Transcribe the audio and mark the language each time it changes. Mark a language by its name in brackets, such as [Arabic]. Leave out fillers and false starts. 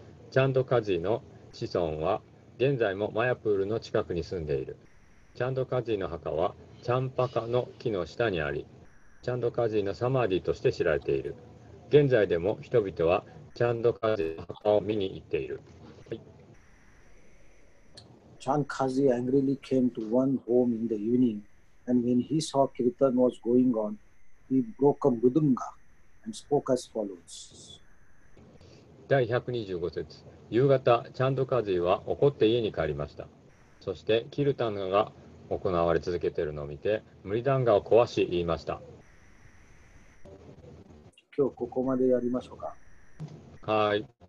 [Japanese] チャンドカズイの子孫は現在もマヤプールの近くに住んでいる。チャンドカズイの墓はチャンパカの木の下にあり、チャンドカジーのサマーディとして知られている。現在でも人々はチャンドカジーの墓を見に行っている。はい、 [English] チャンカジー angrily came to one home in the evening, and when he saw Kirtan was going on, he broke a mudunga and spoke as follows. [Japanese] 第125節。夕方、チャンドカジーは怒って家に帰りました。そして、キルタンが行われ続けているのを見て、ムリダンガを壊し言いました。今日ここまでやりましょうか。はい。